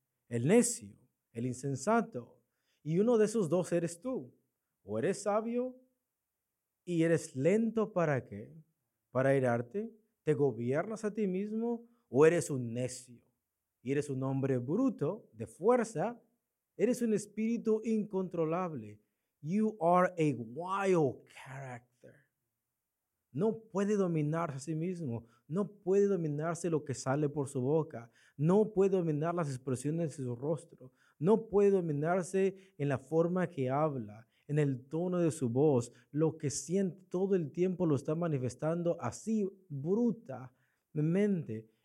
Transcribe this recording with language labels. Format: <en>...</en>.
<es>El necio, el insensato. Y uno de esos dos eres tú. O eres sabio y eres lento ¿para qué? Para airarte. ¿Te gobiernas a ti mismo o eres un necio? Y eres un hombre bruto, de fuerza. Eres un espíritu incontrolable.</es> <en>You are a wild character.</en> <es>No puede dominarse a sí mismo. No puede dominarse lo que sale por su boca. No puede dominar las expresiones de su rostro. No puede dominarse en la forma que habla, en el tono de su voz. Lo que siente todo el tiempo lo está manifestando así, brutalmente.</es>